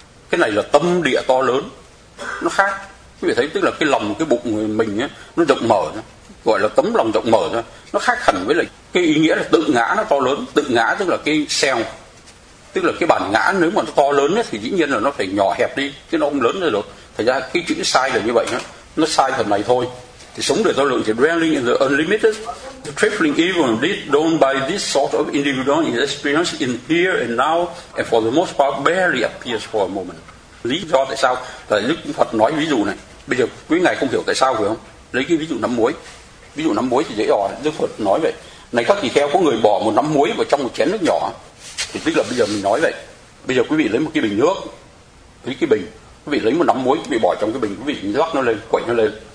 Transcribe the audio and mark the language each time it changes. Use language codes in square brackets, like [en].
[vi] Cái này là tâm địa to lớn, nó khác. Quý vị thấy tức là cái lòng, cái bụng người mình ấy, nó rộng mở ra, gọi là tấm lòng rộng mở ra. Nó khác hẳn với lại cái ý nghĩa là tự ngã nó to lớn. Tự ngã tức là cái self, tức là cái bản ngã, nếu mà nó to lớn ấy, thì dĩ nhiên là nó phải nhỏ hẹp đi, chứ nó không lớn ra được. Thật ra cái chữ sai là như vậy đó. Nó sai phần này thôi. Thì sống được do lượng thì [en] dwelling in the unlimited, the trifling evil deed done by this sort of individual is experienced in here and now and for the most part barely appears for a moment. [vi] Lý do tại sao? Tại Đức Phật nói ví dụ này. Bây giờ quý ngài không hiểu tại sao phải không? Lấy cái ví dụ nắm muối. Ví dụ nắm muối thì dễ rồi. Đức Phật nói vậy. Này các tỳ kheo, có người bỏ một nắm muối vào trong một chén nước nhỏ. Thì tức là bây giờ mình nói vậy. Bây giờ quý vị lấy một cái bình nước. Lấy cái bình. Quý vị lấy một nắm muối, quý vị bỏ trong cái bình, quý vị rắc nó lên, quậy nó lên.